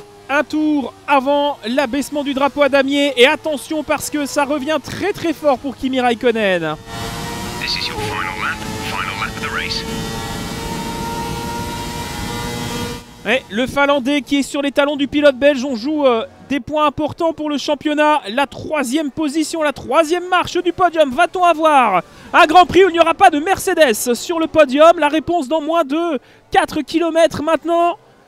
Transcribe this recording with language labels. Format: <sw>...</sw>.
<fr>Un tour avant l'abaissement du drapeau à damier et attention parce que ça revient très très fort pour Kimi Raikkonen.</fr> <en>This is your final lap of the race.</en> <fr>Et le Finlandais qui est sur les talons du pilote belge, on joue des points importants pour le championnat. La troisième position, la troisième marche du podium, va-t-on avoir un Grand Prix où il n'y aura pas de Mercedes sur le podium? La réponse dans moins de 4 km maintenant.</fr>